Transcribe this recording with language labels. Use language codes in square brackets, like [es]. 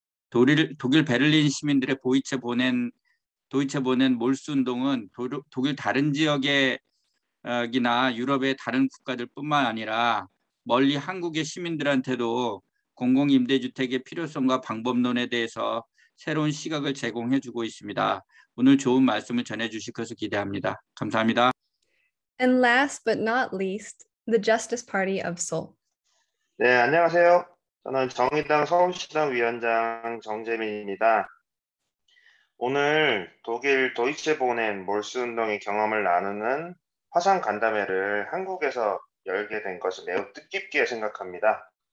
[ko] 독일 베를린 시민들의 도이체 보낸 몰수운동은 독일 다른 지역의 지역이나 유럽의 다른 국가들뿐만 아니라 멀리 한국의 시민들한테도 공공임대주택의 필요성과 방법론에 대해서 새로운 시각을 제공해주고 있습니다. 오늘 좋은 말씀을 전해주실 것을 기대합니다. 감사합니다. [en] And last but not least, the Justice Party of Seoul. [ko] 네, 안녕하세요. 저는 정의당 서울시당 위원장 정재민입니다. 오늘 독일 도이체 보넨 몰수운동의 경험을 나누는 화상 간담회를 한국에서 열게 된 것을 매우 뜻깊게 생각합니다.